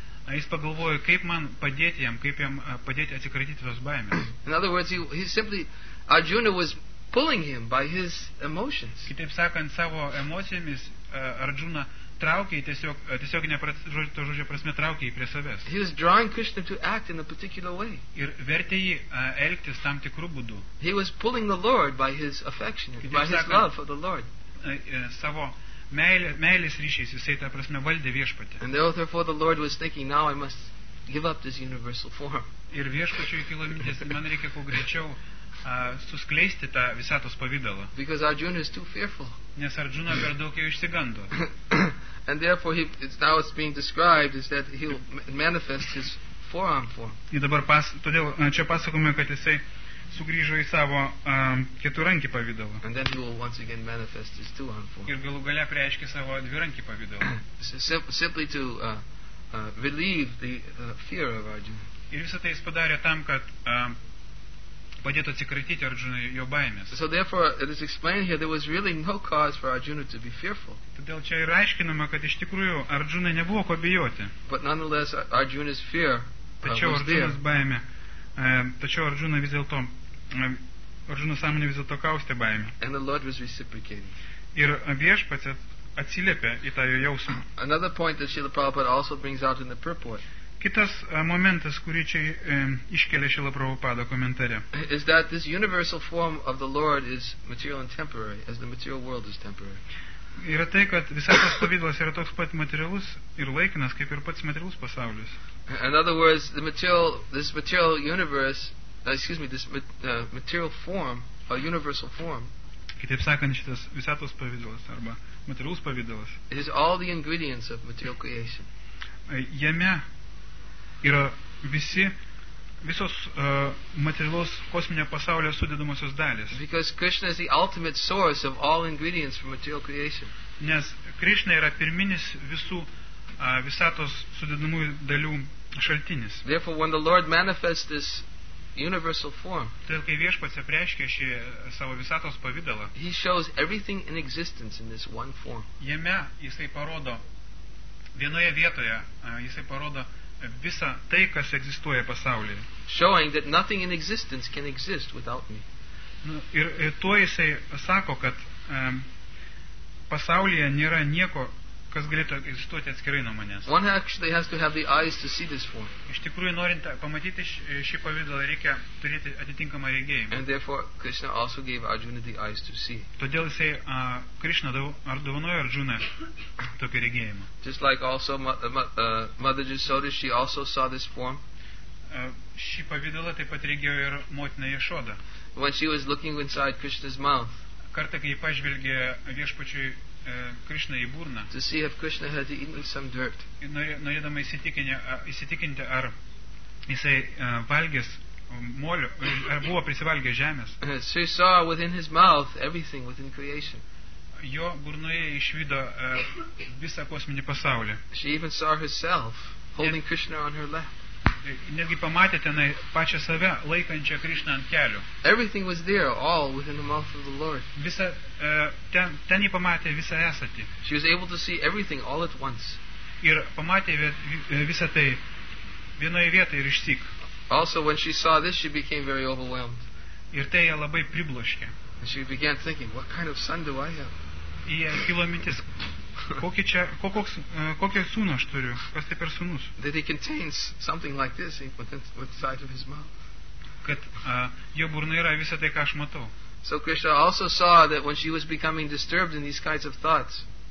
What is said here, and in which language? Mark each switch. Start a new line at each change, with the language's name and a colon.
Lithuanian: Jis pagalvojo, kaip man padėti jam, kaip jam padėti atsikratyti tos baimės.
English: In other words, he simply, Arjuna was pulling him by his emotions.
Lithuanian: Kitaip sakant, savo emocijomis Arjuna traukė tiesiog to žodžio prasme traukė prie savęs.
English: He was drawing Krishna to act in a particular way.
Lithuanian: Ir vertė jį elgtis tam tikru būdu.
English: He was pulling the Lord by his affection,
Lithuanian: kitaip
English: by
Lithuanian: sakant,
English: his love for the Lord.
Lithuanian: Savo meilės ryšiais jisai, ta prasme, valdė viešpatį.
English: And therefore the Lord was thinking, now I must give up this universal form.
Lithuanian: Ir viešpačiui kilo mintis, man reikia kuo greičiau suskleisti tą visatos pavidalą.
English: Because Arjuna is too fearful.
Lithuanian: Nes Arjuna per daug jau išsigando.
English: And therefore it's being described is that he'll manifest his forearm form.
Lithuanian: Ir dabar todėl čia pasakome, kad jisai sugrįžo į savo keturankį pavidalą.
English: And then he will once again manifest his two-armed form.
Lithuanian: Ir galų gale preiškia savo dvirankį pavidalą.
English: Simply to relieve the fear of Arjuna.
Lithuanian: Ir visą tai jis padarė tam, kad padėtų atsikratyti Arjunai jo baimės.
English: So therefore it is explained here there was really no cause for Arjuna to be fearful.
Lithuanian: Todėl čia ir aiškinama, kad iš tikrųjų Arjunai nebuvo ko bijoti.
English: But nonetheless Arjuna's fear
Lithuanian: tačiau Arjunas baimė. Tačiau Arjuna vis dėlto sąmonė vis dėlto kaustė baimę.
English: And the Lord was reciprocating.
Lithuanian: Ir viešpats atsiliepė į tą jo jausmą.
English: Another point that Srila Prabhupada also brings out in the purport.
Lithuanian: Kitas momentas, kurį čia iškelia Srila Prabhupada komentare.
English: Is that this universal form of the Lord is material and temporary, as the material world is temporary.
Lithuanian: Yra tai, kad visatos pavidalas yra toks pat materialus ir laikinas, kaip ir pats materialus pasaulis.
English: In other words, this material universe material form, a universal form.
Lithuanian: Kitaip sakant, šitas visatos pavidalas arba materialus pavidalas.
English: It is all the ingredients of material creation.
Lithuanian: Jame yra visos materialos kosminio pasaulio sudedamosios dalys.
English: Because Krishna is the ultimate source of all ingredients for material creation.
Lithuanian: Nes Krishna yra pirminis visų visatos sudedamųjų dalių šaltinis.
English: Therefore, when the Lord manifests this universal form,
Lithuanian: todėl kai Viešpats apreiškia šį savo visatos pavidalą,
English: He shows everything in existence in this one form.
Lithuanian: Jame jisai parodo vienoje vietoje, jisai parodo visa tai, kas egzistuoja pasaulyje.
English: Showing that nothing in existence can exist without me.
Lithuanian: Ir tuo jisai sako, kad pasaulyje nėra nieko, kas galėtų egzistuoti atskirai nuo manęs.
English: One actually has to have the eyes to see this form.
Lithuanian: Iš tikrųjų, norint pamatyti šį pavidalą, reikia turėti atitinkamą regėjimą.
English: And therefore, Krishna also gave Arjuna the eyes to see.
Lithuanian: Todėl jisai Krishna dovanojo Arjuna tokį regėjimą.
English: Just like also Mother Jasoda, she also saw this form.
Lithuanian: Šį pavidalą taip pat regėjo ir motina Jasoda.
English: When she was looking inside Krishna's mouth.
Lithuanian: Kartą, kai pažvelgė Viešpačiui Krishna į burną.
English: To see if Krishna had eaten some dirt.
Lithuanian: Norėdama įsitikinti, ar jisai valgęs molio, ar buvo prisivalgęs žemės.
English: She saw within his mouth everything within creation.
Lithuanian: Jo burnoje išvydo visą kosminį pasaulį.
English: She even saw herself holding Krishna on her lap.
Lithuanian: Netgi pamatė tenai pačią save laikančią Krishna ant kelių.
English: Everything was there, all within the mouth of the Lord.
Lithuanian: Visa ten jį pamatė visą esatį.
English: She was able to see everything all at once.
Lithuanian: Ir pamatė visą tai vienoje vietoje ir išsyk.
English: Also when she saw this she became very overwhelmed.
Lithuanian: Ir tai ją labai pribloškė.
English: She began thinking, what kind of son do I have?
Lithuanian: Jai kilo mintis, kokį sūną aš turiu? Kas tai per sūnus?
English: That he contains something like this inside of his mouth.
Lithuanian: Kad jo burna yra visa tai, ką aš matau.
English: So Krishna also saw that when she was becoming disturbed in these kinds of thoughts.